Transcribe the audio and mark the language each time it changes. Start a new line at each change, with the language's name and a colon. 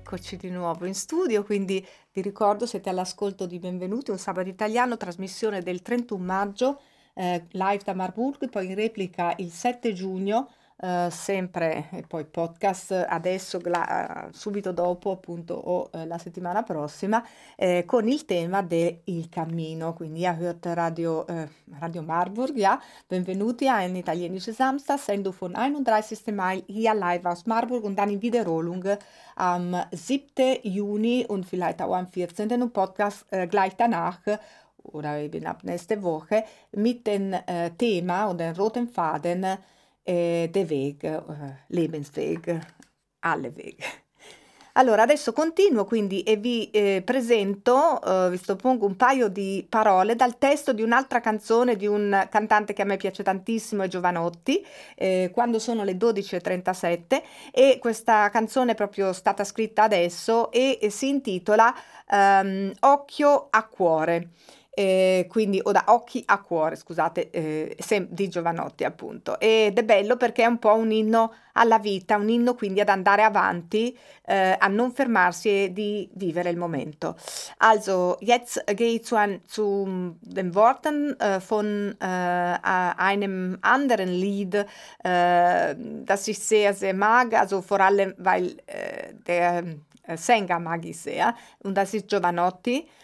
Italian: Di nuovo in studio, quindi vi ricordo, siete all'ascolto di Benvenuti, un sabato italiano, trasmissione del 31 maggio, live da Marburgo, poi in replica il 7 giugno, sempre, e poi podcast adesso, subito dopo appunto, o la settimana prossima, con il tema del il cammino. Quindi a
German: Hört Radio, Radio Marburg, ja, benvenuti a ein italienisches Samstag, sendo von 31. Mai hier live aus Marburg und dann in Wiederholung am 7. Juni und vielleicht auch am 14. und Podcast gleich danach oder eben ab nächste Woche mit dem Thema und den roten Faden der Weg, Lebensweg, alle Wege.
Italian: Allora, adesso continuo quindi e vi presento, vi suppongo un paio di parole dal testo di un'altra canzone di un cantante che a me piace tantissimo, è Jovanotti, quando sono le 12:37 e questa canzone è proprio stata scritta adesso e si intitola Occhio a cuore. Quindi o da occhi a cuore, scusate, di Jovanotti appunto, ed è bello perché è un po' un inno alla vita, un inno quindi ad andare avanti, a non fermarsi e di vivere il momento.
German: Also jetzt geht's zu den Worten von einem anderen Lied, das ich sehr sehr mag, also vor allem weil der Sänger mag ich sehr, und das ist Jovanotti.